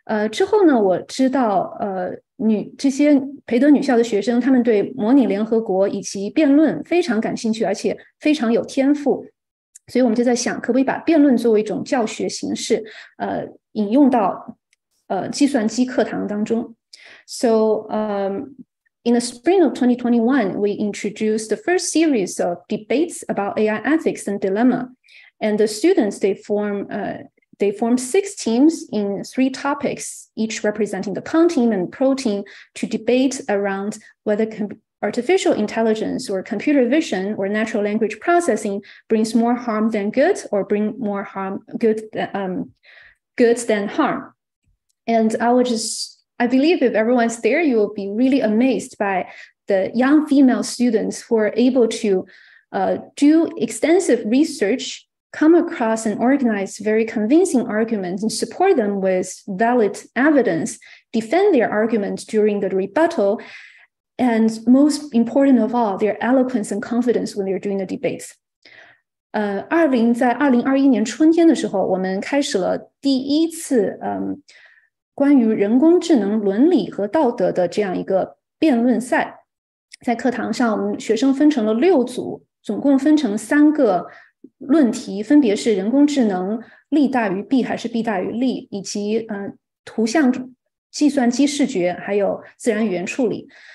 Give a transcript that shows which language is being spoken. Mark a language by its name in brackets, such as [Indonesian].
[Chinese] 之后呢，我知道这些培德女校的学生，他们对模拟联合国以及辩论非常感兴趣，而且非常有天赋，所以我们就在想，可不可以把辩论作为一种教学形式，引用到计算机课堂当中。 [English] So, in the spring of 2021, we introduced the first series of debates about AI ethics and dilemma, and the students they form six teams in three topics, each representing the pro team and pro team, to debate around whether artificial intelligence or computer vision or natural language processing brings more harm than good, or bring more harm good than harm. And I believe if everyone's there, you will be really amazed by the young female students who are able to do extensive research, come across and organize very convincing arguments and support them with valid evidence, defend their arguments during the rebuttal, and most important of all, their eloquence and confidence when they're doing the debates. [Chinese] 在2021年春天的时候，我们开始了第一次关于人工智能伦理和道德的这样一个辩论赛。在课堂上，我们学生分成了六组，总共分成三个论题，分别是人工智能利大于弊还是弊大于利，以及图像计算机视觉还有自然语言处理。